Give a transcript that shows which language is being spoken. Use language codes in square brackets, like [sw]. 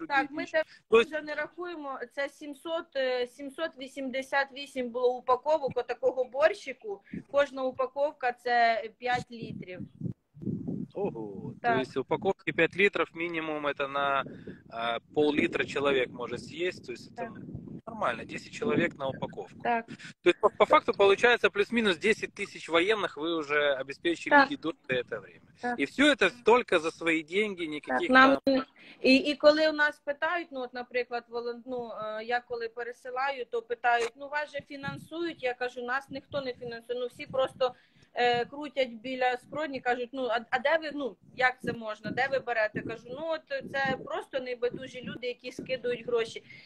[uk] Так, ми тепер вже не рахуємо. Це 788 було упаковок такого борщику. Кожна упаковка – це 5 літрів. Ого, так. То есть упаковки 5 літрів, мінімум – це на пол-літра чоловік може з'їсти. То есть це нормально, 10 чоловік на упаковку. Так. [ru] То есть по факту получается плюс-минус 10 тысяч военных вы уже обеспечили еду за это время. [uk] Так. [ru] И все это только за свои деньги, никаких... [uk] Нам... И коли у нас питають, ну от, наприклад, ну, я коли пересилаю, то питають, ну вас же фінансують, я кажу, нас ніхто не фінансує, ну всі просто крутять біля скроні, кажуть, ну а де ви, ну як це можна, де ви берете? Кажу, ну от це просто небайдужі люди, які скидують гроші.